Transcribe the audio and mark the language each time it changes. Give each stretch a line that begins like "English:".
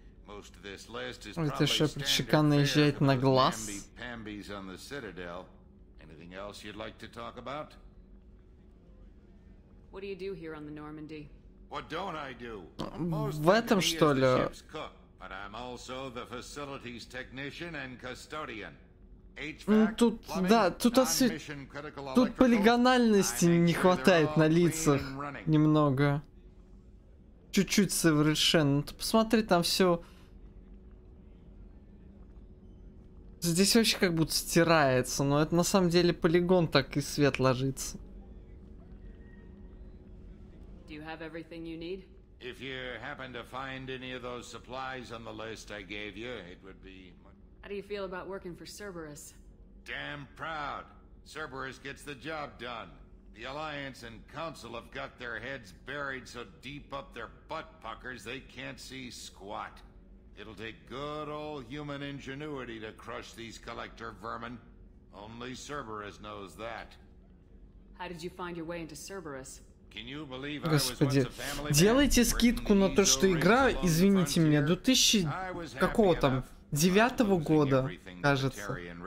English: Most of this list is probably standard fare for the namby-pambies on the Citadel. Anything else you'd like to talk about? What do you do here on the Normandy? What don't I do? Most of me is the ship's cook. But I'm also the facilities technician and custodian.
Russian: Тут тут полигональности не хватает на лицах немного. чуть-чуть совершенно. Ты посмотри, там все. Здесь вообще как будто стирается, но это на самом деле полигон, так и свет ложится.
English: Do you have everything you need? If you happen to find any of those supplies on the list I gave you, it would be... How do you feel about working for Cerberus? Damn proud. Cerberus gets the job done. The Alliance and Council have got their heads buried so deep up their butt puckers they can't see squat. It'll take good old human ingenuity to crush these collector vermin. Only Cerberus knows that. How did you find your way into Cerberus?
Russian: Господи, делайте скидку на то, что игра, извините меня, 2009 года, кажется.